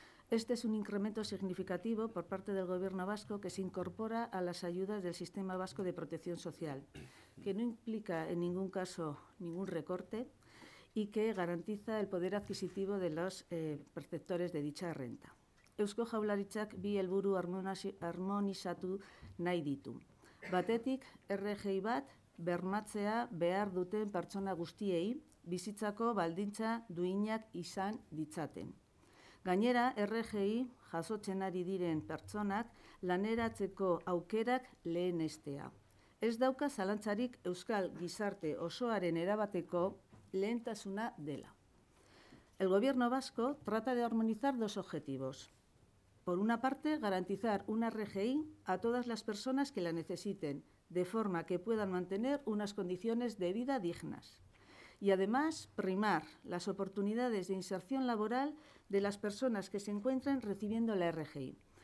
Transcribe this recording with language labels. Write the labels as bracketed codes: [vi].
[es] Este es un incremento significativo por parte del Gobierno vasco que se incorpora a las ayudas del Sistema Vasco de Protección Social, que no implica en ningún caso ningún recorte y que garantiza el poder adquisitivo de los perceptores de dicha renta. [eu] Eusko Jaularitzak bi helburu harmonizatu nahi ditu. Batetik, RGI bat bermatzea behar duten pertsona guztiei bizitzako baldintza duinak izan ditzaten. Gainera, RGI jasotzen ari diren pertsonak laneratzeko aukerak lehenestea. Ez dauka zalantzarik euskal gizarte osoaren erabateko lehentasuna dela. [es] El Gobierno Vasco trata de armonizar dos objetivos. Por una parte, garantizar una RGI a todas las personas que la necesiten, de forma que puedan mantener unas condiciones de vida dignas. Y además, primar las oportunidades de inserción laboral de las personas que se encuentren recibiendo la RGI.